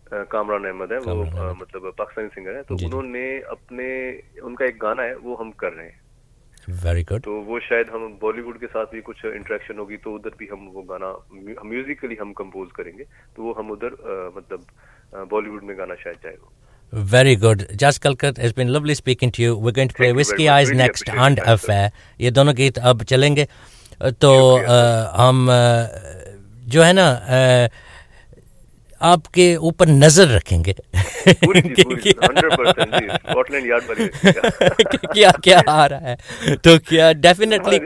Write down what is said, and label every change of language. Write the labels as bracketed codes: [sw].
[hi] कामरान अहमद है, वो मतलब पाकिस्तानी सिंगर है। तो उन्होंने अपने उनका एक गाना है वो हम कर रहे हैं। [en] Very good. [hi] तो वो शायद हम बॉलीवुड के साथ भी कुछ इंटरेक्शन होगी तो उधर भी हम वो गाना म्यूजिकली हम कंपोज करेंगे, तो वो हम उधर मतलब बॉलीवुड में गाना शायद जाएगा। [en] Very good. Jas Kalkat, it's been lovely speaking to you. We're going to play Whiskey Eyes next and Affair. [hi] ये दोनों गीत अब चलेंगे तो हम जो है ना आपके ऊपर नजर रखेंगे क्या क्या आ रहा है, तो क्या डेफिनेटली